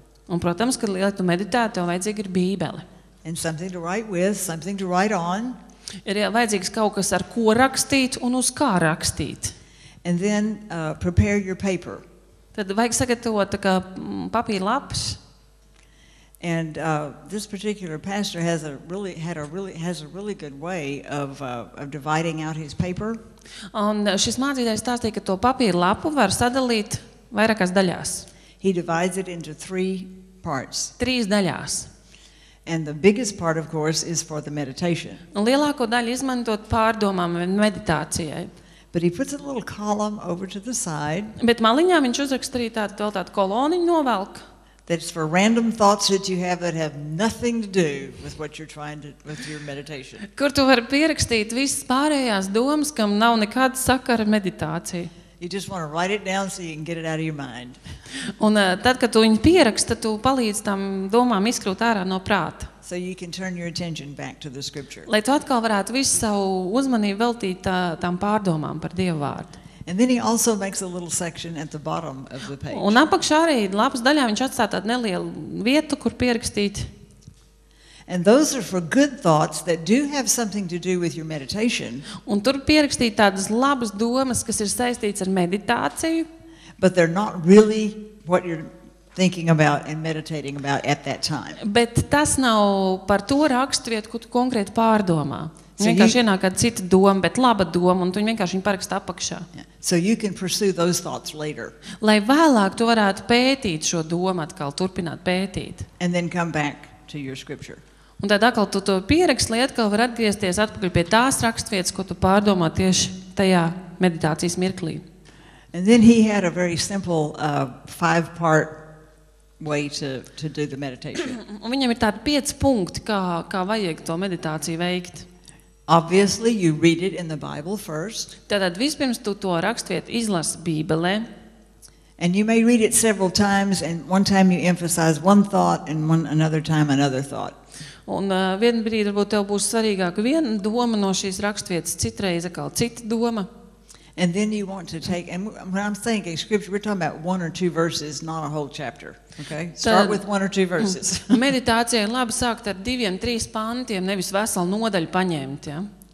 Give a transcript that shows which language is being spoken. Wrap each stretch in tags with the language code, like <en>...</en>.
<lv>Un, protams, kad lietu meditēt, tev vajadzīga ir Bībele.</lv> <en>And something to write with, something to write on.</en> <lv>Ir vajadzīgs kaut kas, ar ko rakstīt un uz kā rakstīt.</lv> <en>And then prepare your paper.</en> <lv>Tad vajag sagatavot tā kā papīra lapas.</lv> <en>And this particular pastor has a really good way of dividing out his paper.</en> <lv>Un šis mācītājs stāstīja, ka to papīra lapu var sadalīt vairākās daļās.</lv> <en>He divides it into three parts.</en> <lv>Trīs daļās.</lv> <en>And the biggest part of course is for the meditation.</en> <lv>Un lielāko daļu izmantot pārdomām un meditācijai.</lv> <en>But he puts a little column over to the side.</en> <lv>Bet maliņā viņš uzraksta arī tādu koloniņu novelk.</lv> <en>That's for random thoughts that you have that have nothing to do with what you're trying to with your meditation.</en> <lv>Kur tu var pierakstīt visas pārējās domas, kam nav nekāda sakara ar meditāciju.</lv> <en>You just want to write it down so you can get it out of your mind.</en> <lv>Un tad, kad tu viņu pieraksti, tu palīdz tam domām izkrūt ārā no prāta.</lv> <en>So you can turn your attention back to the scripture.</en> <lv>Lai tu atkal varētu visu savu uzmanību veltīt tām pārdomām par Dieva vārdu.</lv> <en>And then he also makes a little section at the bottom of the page.</en> <lv>Un apakšā arī lapas daļā viņš atstāja tādu nelielu vietu, kur pierakstīt.</lv> <en>And those are for good thoughts that do have something to do with your meditation.</en> <lv>Un tur pierakstīt tādas labas domas, kas ir saistītas ar meditāciju.</lv> <en>But they're not really what you're thinking about and meditating about at that time.</en> <lv>Bet tas nav par to rakstuvietu, ko tu konkrēti pārdomā. So vienkārši ienāk kāda cita doma, bet laba doma, un tu viņu vienkārši parakst apakšā.</lv> <en>Yeah. So you can pursue those thoughts later.</en> <lv>Lai vēlāk tu varētu pētīt šo domu atkal, turpināt pētīt.</lv> <en>And then come back to your scripture.</en> <lv>Un tad atkal tu to pierakst, lai atkal var atgriezties atpakaļ pie tās rakstuvietas, ko tu pārdomā tieši tajā meditācijas mirklī.</lv> <en>And then he had a very simple five-part way to do the meditation.</en> <lv>Un viņam ir tādi 5 punkti, kā vajag to meditāciju veikt.</lv> <en>Obviously, you read it in the Bible first.</en> <lv>Tātad vispirms tu to rakstuvietu izlasi Bībelē.</lv> <en>And you may read it several times, and one time you emphasize one thought, and one another time another thought.</en> <lv>Un vienu brīdi varbūt tev būs svarīgāka viena doma no šīs rakstuvietas, citreiz atkal cita doma.</lv> <en>And then you want to take, and when I'm saying a scripture, we're talking about one or two verses, not a whole chapter. Okay? Start with one or two verses.</en> <lv>Meditācija ir labi sākt ar diviem, trīs pantiem, nevis veselu nodaļu paņemt, ja?</lv>